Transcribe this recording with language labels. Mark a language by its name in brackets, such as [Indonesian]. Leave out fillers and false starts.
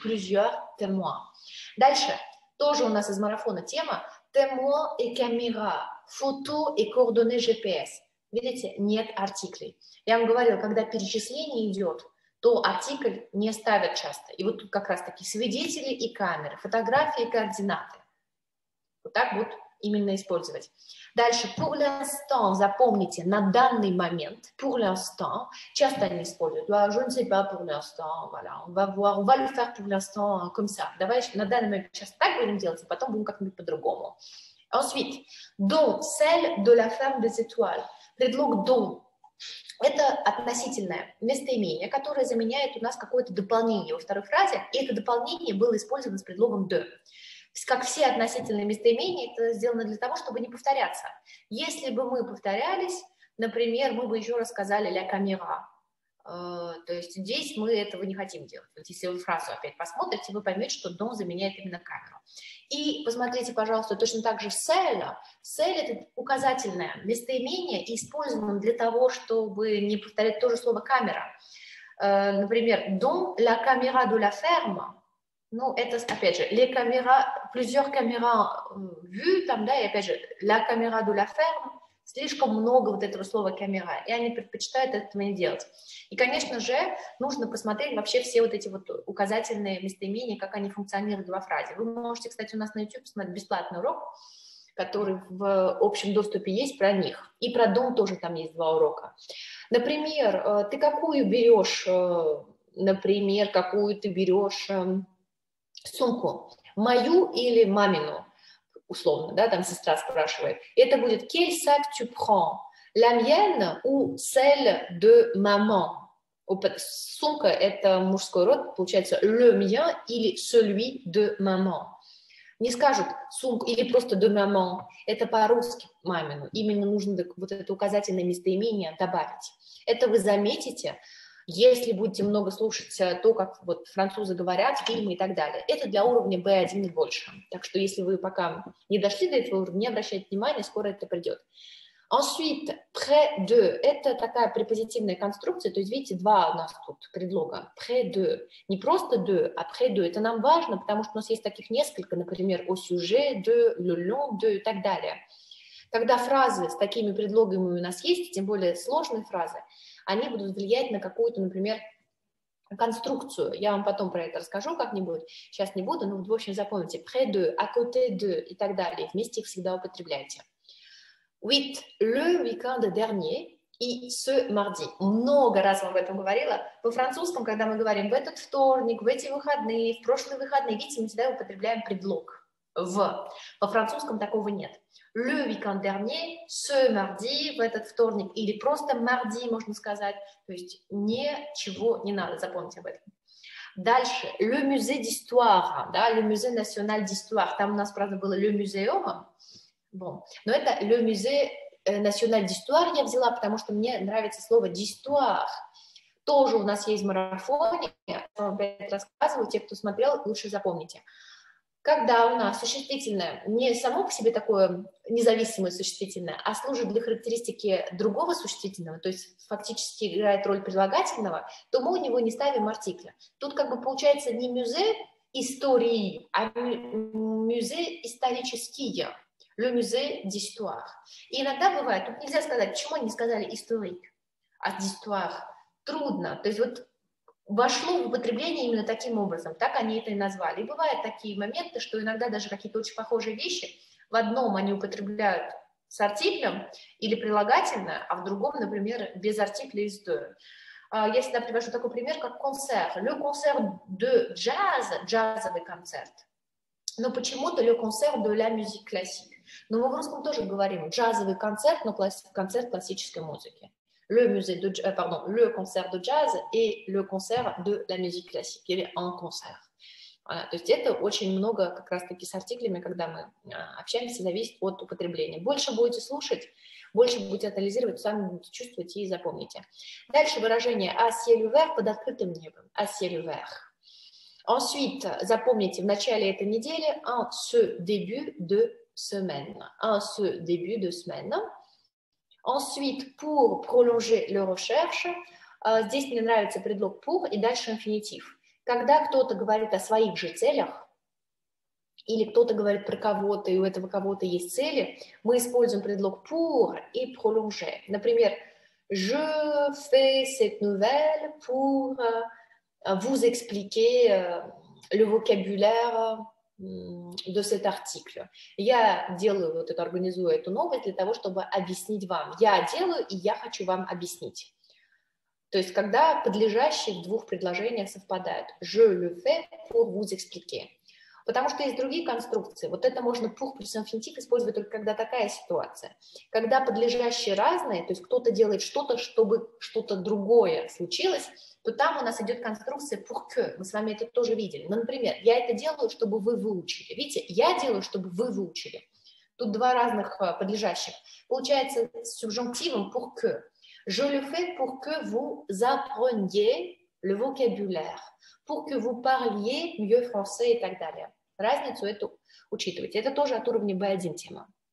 [French] Plusieurs témoins. [Russian] Дальше, тоже у нас из марафона тема. [French] Témoins et caméras, photos et coordonnées GPS. [Russian] Видите, нет артиклей. Я вам говорила, когда перечисление идет, то артикль не ставят часто. И вот тут как раз таки свидетели и камеры, фотографии и координаты. Вот так вот именно использовать. Дальше, [French] pour l'instant, [Russian] запомните, на данный момент, [French] pour l'instant, [Russian] часто они используют, [French] je ne sais pas pour l'instant, voilà, on va voir, on va le faire pour l'instant, comme ça. [Russian] Давай на данный момент сейчас так будем делать, а потом будем как-нибудь по-другому. [French] Ensuite, dont, celle de la femme des étoiles. [Russian] Предлог «дом» – это относительное местоимение, которое заменяет у нас какое-то дополнение во второй фразе, и это дополнение было использовано с предлогом «де». Как все относительные местоимения, это сделано для того, чтобы не повторяться. Если бы мы повторялись, например, мы бы еще раз сказали [French] «la caméra». [Russian] То есть здесь мы этого не хотим делать. Вот если вы фразу опять посмотрите, вы поймете, что «дом» заменяет именно камеру. И посмотрите, пожалуйста, точно так же «celle». «Celle» — это указательное местоимение, использованное для того, чтобы не повторять то же слово «камера». Например, [French] «дом la caméra de la ferme». [Russian] Ну, это, опять же, [French] «les caméras», «plusieurs caméras vues», [Russian] там, да, и опять же, [French] «la caméra de la ferme». [Russian] Слишком много вот этого слова «камера», и они предпочитают этого не делать. И, конечно же, нужно посмотреть вообще все вот эти вот указательные местоимения, как они функционируют во фразе. Вы можете, кстати, у нас на YouTube посмотреть бесплатный урок, который в общем доступе есть про них. И про дом тоже там есть два урока. Например, ты какую берешь, например, какую ты берешь сумку? Мою или мамину? Условно, да, там сестра спрашивает. [French] Это будет «quel sac tu prends? La mienne ou celle de maman?» [Russian] Сумка – это мужской род, получается [French] «le mien» [Russian] или [French] «celui de maman». [Russian] Не скажут «сумку» или просто [French] «de maman». [Russian] Это по-русски «мамину». Именно нужно вот это указательное местоимение добавить. Это вы заметите, если будете много слушать то, как вот французы говорят, фильмы и так далее. Это для уровня B1 и больше. Так что если вы пока не дошли до этого уровня, не обращайте внимания, скоро это придет. [French] Ensuite, près de [Russian] – это такая препозитивная конструкция. То есть, видите, два у нас тут предлога. [French] Près de – [Russian] не просто [French] de, а près de. [Russian] Это нам важно, потому что у нас есть таких несколько, например, [French] au sujet de, le long de [Russian] и так далее. Когда фразы с такими предлогами у нас есть, тем более сложные фразы, они будут влиять на какую-то, например, конструкцию. Я вам потом про это расскажу как-нибудь. Сейчас не буду, но в общем запомните. [French] Près de, à côté de [Russian] и так далее. Вместе их всегда употребляйте. [French] With, le week-end dernier и ce mardi. [Russian] Много раз вам об этом говорила. По-французскому, когда мы говорим в этот вторник, в эти выходные, в прошлые выходные, видите, мы всегда употребляем предлог. В. По-французскому такого нет. [French] Le week-end dernier, ce mardi, [Russian] в этот вторник, или просто mardi, можно сказать. То есть ничего не надо, запомните об этом. Дальше. [French] Le musée d'histoire, [Russian] да, [French] le musée national d'histoire. [Russian] Там у нас, правда, было le museum. [French] Bon. [Russian] Но это [French] le musée national d'histoire [Russian] я взяла, потому что мне нравится слово d'histoire. Тоже у нас есть марафон. Я вам опять рассказываю. Те, кто смотрел, лучше запомните. Когда у нас существительное не само по себе такое независимое существительное, а служит для характеристики другого существительного, то есть фактически играет роль прилагательного, то мы у него не ставим артикля. Тут как бы получается не «мюзе истории», а «мюзе исторические», [French] «le musée d'histoire». [Russian] И иногда бывает, тут нельзя сказать, почему они не сказали «historique», а «d'histoire». Трудно, то есть вот вошло в употребление именно таким образом. Так они это и назвали. И бывают такие моменты, что иногда даже какие-то очень похожие вещи в одном они употребляют с артиклем или прилагательное, а в другом, например, без артикля и с «de». Я всегда привожу такой пример, как концерт. [French] «Le concert de jazz» – [Russian] джазовый концерт. Но почему-то [French] «le concert de la musique classique». [Russian] Но мы в русском тоже говорим «джазовый концерт», но концерт классической музыки. [French] Le musée de, pardon, le concert de jazz et le concert de la musique classique, [Russian] или [French] un concert. [Russian] То есть это очень много как раз-таки с артиклями, когда мы общаемся, зависит от употребления. Больше будете слушать, больше будете анализировать, сами будете чувствовать и запомните. Дальше выражение [French] «à ciel ouvert» [Russian] под открытым небом. [French] «À ciel ouvert». Ensuite, [Russian] запомните, в начале этой недели [French] «en ce début de semaine». «En ce début de semaine». Ensuite, pour prolonger le recherche, [Russian] здесь мне нравится предлог pour и дальше инфинитив. Когда кто-то говорит о своих же целях, или кто-то говорит про кого-то, и у этого кого-то есть цели, мы используем предлог pour и prolonger. [French] Например, je fais cette nouvelle pour vous expliquer le vocabulaire de cet article. [Russian] Я делаю, вот это, организую эту новость для того, чтобы объяснить вам. Я делаю, и я хочу вам объяснить. То есть, когда подлежащие в двух предложениях совпадают. [French] Je le fais pour vous expliquer. [Russian] Потому что есть другие конструкции. Вот это можно pour plus infinitif использовать только когда такая ситуация. Когда подлежащие разные, то есть кто-то делает что-то, чтобы что-то другое случилось, то там у нас идет конструкция pour que. Мы с вами это тоже видели. Но, например, я это делаю, чтобы вы выучили. Видите, я делаю, чтобы вы выучили. Тут два разных подлежащих. Получается с субжунктивом pour que. [French] Je le fais pour que vous appreniez le vocabulaire, pour que vous parliez mieux français [Russian] и так далее. Разницу эту учитывайте. Это тоже от уровня B1 тема.